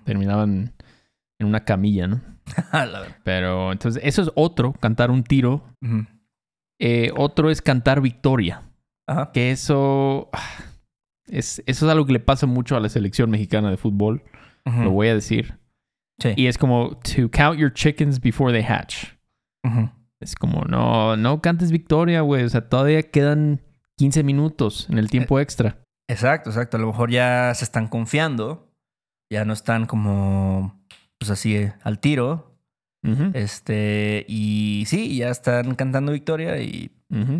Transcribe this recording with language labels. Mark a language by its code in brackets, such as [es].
[es] terminaban en una camilla, ¿no? La verdad. Pero entonces, eso es otro, cantar un tiro. Uh-huh. Otro es cantar victoria. Ajá. Que eso es algo que le pasa mucho a la selección mexicana de fútbol. Uh-huh. Lo voy a decir. Sí. Y es como, [en] to count your chickens before they hatch. Ajá. Uh-huh. [es] Es como, no, no cantes victoria, güey. O sea, todavía quedan 15 minutos en el tiempo extra. Exacto, exacto. A lo mejor ya se están confiando. Ya no están como, pues así, al tiro. Uh-huh. Y sí, ya están cantando victoria y uh-huh.